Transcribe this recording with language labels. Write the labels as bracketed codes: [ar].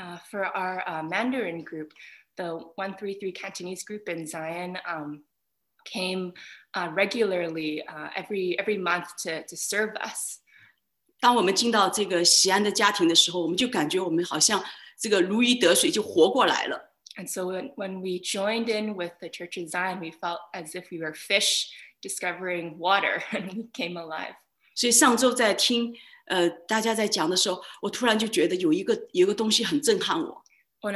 [en] For our Mandarin group, the 133 Cantonese group in Zion came regularly every month to serve us. [zh] 当我们进到这个西安的家庭的时候，我们就感觉我们好像这个如鱼得水就活过来了。 [en] And so when we joined in with the church in Zion, we felt as if we were fish discovering water and we came alive. [zh] 所以上周在听 大家在讲的时候，我突然就觉得有一个东西很震撼我。 [en] When